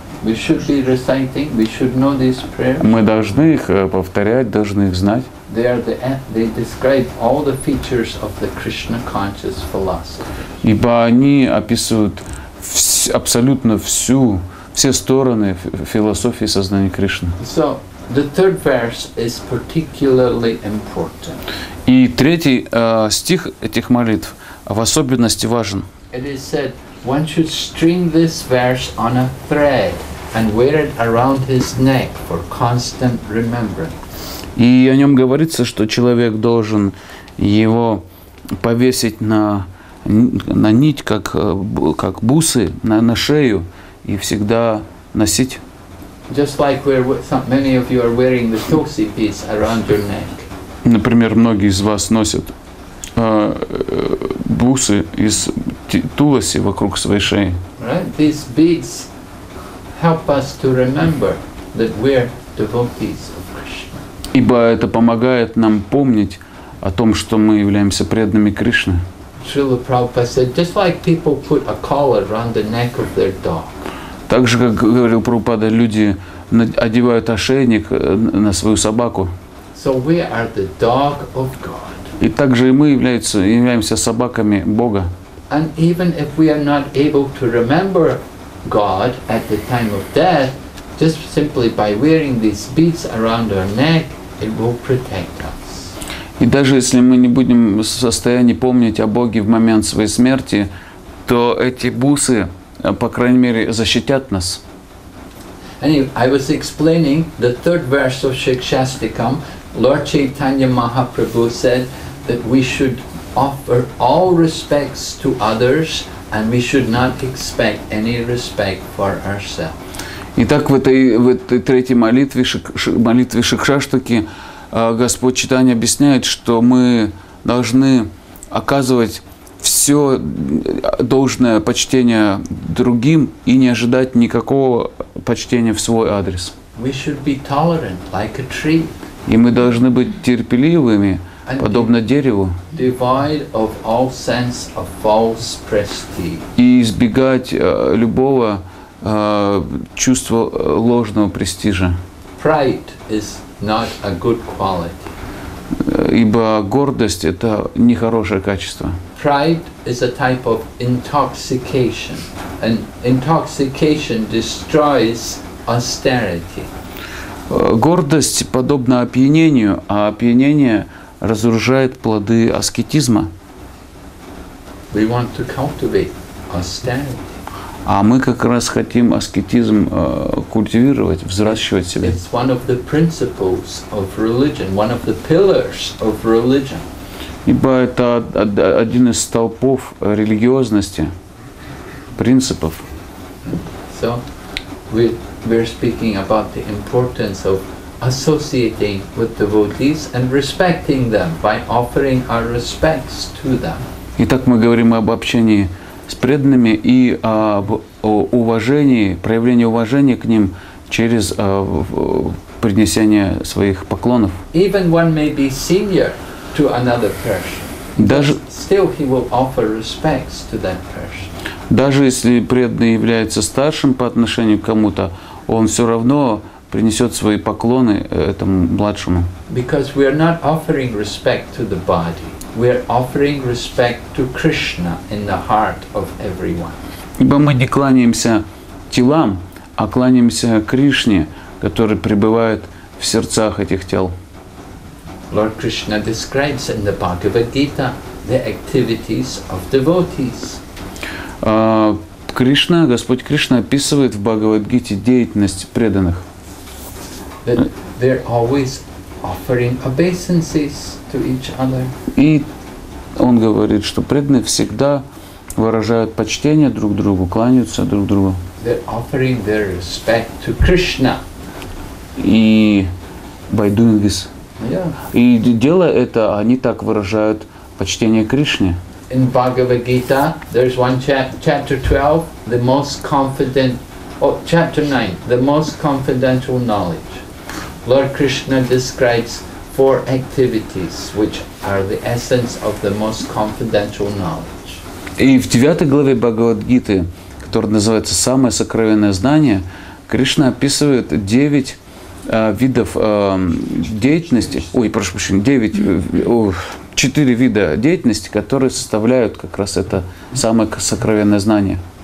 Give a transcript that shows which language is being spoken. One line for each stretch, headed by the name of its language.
English: We should be reciting, we should know these prayers.
Russian: Мы должны их повторять, должны их знать.
English: They are they describe all the features of the Krishna conscious philosophy.
Russian: Ибо они описывают абсолютно всю, все стороны философии сознания Кришны.
English: So, the third verse is particularly important.
Russian: И третий стих этих молитв в особенности важен.
English: It is said, one should string this verse on a thread and wear it around his neck for constant remembrance.
Russian: И о нем говорится, что человек должен его повесить на нить, как бусы, на шею, и всегда носить.
English: Just like many of you are wearing the tulsi piece around your neck.
Russian: Например, многие из вас носят бусы из туласи вокруг своей шеи. Right?
English: These beads help us to remember that we're devotees of Krishna.
Russian: Ибо это помогает нам помнить о том, что мы являемся преданными Кришны.
English: Srila Prabhupada said, just like people put a collar around the neck of their dog.
Russian: Так же, как говорил Прабхупада, люди одевают ошейник на свою собаку.
English: So we are the dog of God.
Russian: И также и мы являемся собаками Бога.
English: And even if we are not able to remember God at the time of death, just simply by wearing these beads around our neck, it will protect us.
Russian: И даже если мы не будем в состоянии помнить о Боге в момент своей смерти, то эти бусы, по крайней мере, защитят нас.
English: Anyway, I was explaining the third verse of Shikshastikam. Lord Chaitanya Mahaprabhu said that we should offer all respects to others and we should not expect any respect for ourselves.
Russian: Итак, в этой третьей молитве Шикшаштаки Господь Читания объясняет, что мы должны оказывать все должное почтение другим и не ожидать никакого почтения в свой адрес.
English: We should be tolerant, like a tree.
Russian: И мы должны быть терпеливыми,
English: and
Russian: подобно дереву.
English: Devoid of all sense of false prestige.
Russian: И избегать любого чувства ложного престижа.
English: Pride is not a good quality.
Russian: Ибо гордость — это нехорошее качество.
English: Pride is a type of intoxication, and intoxication destroys austerity.
Russian: Гордость подобна опьянению, а опьянение разрушает плоды аскетизма.
English: We want to cultivate austerity.
Russian: А мы как раз хотим аскетизм культивировать, взращивать себе.
English: It's one of the principles of religion, one of the pillars of religion.
Russian: Ибо это один из столпов религиозности, принципов.
English: So, we're speaking about the importance of associating with devotees and respecting them by offering our respects to them.
Russian: Итак, мы говорим об общении с преданными и об уважении, проявлении уважения к ним через принесение своих поклонов.
English: Even one may be senior to another person,
Russian: даже,
English: still he will offer respects to that person.
Russian: Даже если преданный является старшим по отношению к кому-то, он все равно принесет свои поклоны этому младшему.
English: Because we are not offering respect to the body. We are offering respect to Krishna in the heart of everyone.
Russian: Ибо мы не кланяемся телам, а кланяемся Кришне, который пребывает в сердцах этих тел.
English: Lord Krishna describes in the Bhagavad Gita the activities of devotees.
Russian: Кришна, Господь Кришна описывает в Бхагавад-гите деятельность преданных.
English: That they're always offering obeisances to each other.
Russian: И он говорит, что преданные всегда выражают почтение друг другу, кланяются друг другу.
English: They're offering their respect to Krishna.
Russian: И
English: by doing this. Yeah.
Russian: И делая это, они так выражают почтение Кришне.
English: In Bhagavad Gita, there's one chapter 12, the most confident, oh, chapter 9, the most confidential knowledge. Lord Krishna describes four activities, which are the essence of the most confidential knowledge.
Russian: И в 9 главе Бхагавад-гиты, которая называется «Самое сокровенное знание», Кришна описывает 9 видов деятельности, 4 вида деятельности, которые составляют как раз это самое сокровенное знание.